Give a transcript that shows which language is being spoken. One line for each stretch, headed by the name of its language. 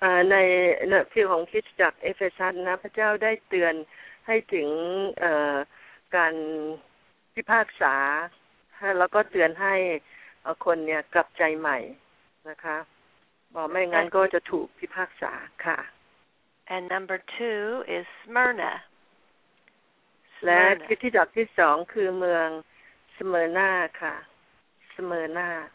Thai: ในฟิลของคริสตจักรเอเฟซัสนะพระเจ้าได้เตือนให้ถึงการพิพากษาแล้วก็เตือนให้คนเนี่ยกลับใจใหม่นะคะบอกไม่งั้นก็จะถูกพิพากษาค่ะ
English: And number two is Smyrna
Thai: และคริสตจักรที่สองคือเมืองสเมอร์นาค่ะสเมอร์นา